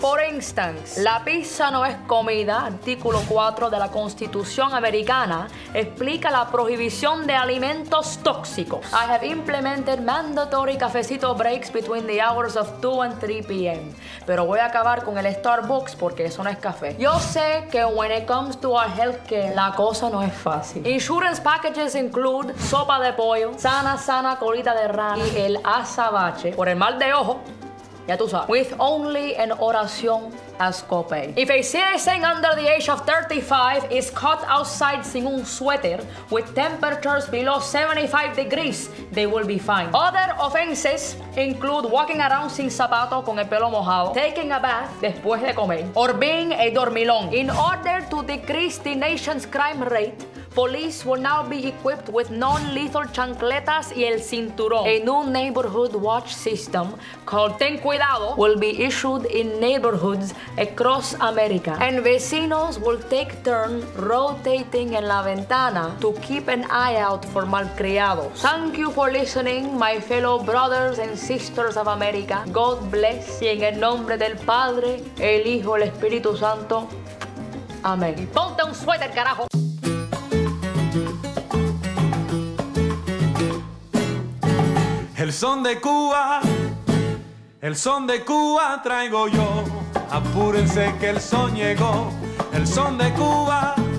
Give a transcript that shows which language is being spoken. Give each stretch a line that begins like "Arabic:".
English: For instance,
Spanish: la pizza no es comida, artículo 4 de la Constitución Americana, explica la prohibición de alimentos tóxicos.
English: I have implemented mandatory cafecito breaks between the hours of 2 and 3 p.m.
Spanish: Pero voy a acabar con el Starbucks porque eso no es café. Yo sé que
English: when it comes to our healthcare,
Spanish: la cosa no es fácil.
English: Insurance packages include
Spanish: sopa de pollo, sana, sana, colita de rana y el azabache por el mal de ojo, ya tú sabes.
English: With only an oración as copay. If a citizen under the age of 35 is caught outside
Spanish: sin un suéter
English: with temperatures below 75 degrees, they will be fined. Other offenses include walking around
Spanish: sin zapato con el pelo mojado,
English: taking a bath
Spanish: después de comer,
English: or being a dormilón. In order to decrease the nation's crime rate, police will now be equipped with non-lethal
Spanish: chancletas y el cinturón.
English: A new neighborhood watch system called Ten Cuidado will be issued in neighborhoods across America. And vecinos will take turn rotating
Spanish: en la ventana
English: to keep an eye out for malcriados. Thank you for listening, my fellow brothers and sisters of America. God bless.
Spanish: Y en el nombre del Padre, el Hijo, el Espíritu Santo. Amén. Ponte un suéter, carajo. El son de Cuba, el son de Cuba traigo yo. Apúrense que el son llegó. El son de Cuba.